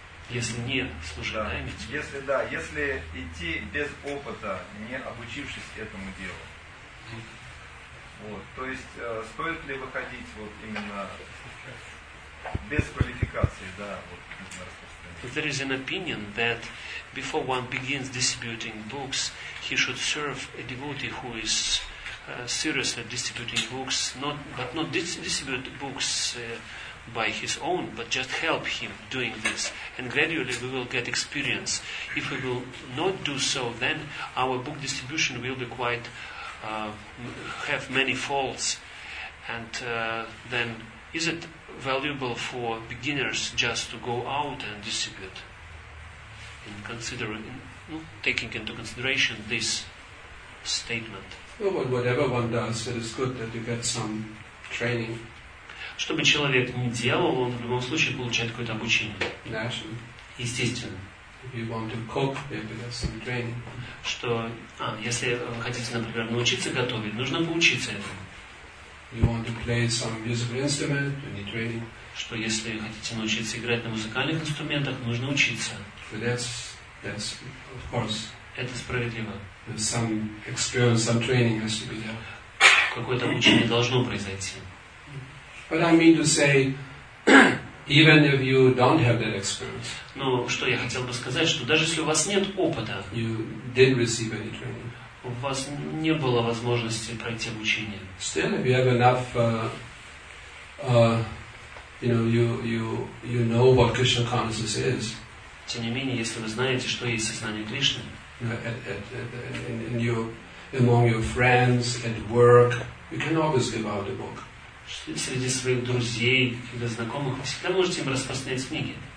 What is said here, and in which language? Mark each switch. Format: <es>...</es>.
<ru>если не служить, если да, если идти без опыта, не обучившись этому делу. Вот. То есть стоит ли выходить вот именно без квалификации, да, вот на распространение?</ru> <en>There is an opinion that before one begins distributing books, he should serve a devotee who is seriously distributing books, not distribute books by his own, but just help him doing this, and gradually we will get experience. If we will not do so, then our book distribution will be quite have many faults, and then is it valuable for beginners just to go out and distribute, and taking into consideration this statement? Well, whatever one does, it is good that you get some training.</en> <ru>Что бы человек ни делал, он в любом случае получает какое-то обучение.</ru> <en>Naturally.</en> <ru>Естественно.</ru> <en>If you want to cook, maybe have some training.</en> <ru>Что, если вы хотите, например, научиться готовить, нужно поучиться этому.</ru> <en>You want to play some musical instrument, you need training.</en> <ru>Что, если вы хотите научиться играть на музыкальных инструментах, нужно учиться.</ru> <en>But that's of course.</en> <ru>Это справедливо.</ru> <en>Some experience, some training has to be there.</en> <ru>Какое-то обучение должно произойти.</ru> <en>But I mean to say, even if you don't have that experience.</en> <ru>Но что я хотел бы сказать, что даже если у вас нет опыта,</ru> <en>you didn't receive any training.</en> <ru>У вас не было возможности пройти обучение.</ru> <en>Still, if you have enough, you know, you know what Krishna consciousness is.</en> <ru>Тем не менее, если вы знаете, что есть сознание Кришны,</ru> <en>and you among your friends at work, you can always give out the book.</en> <ru>Среди своих друзей или знакомых вы всегда можете им распространять книги.</ru>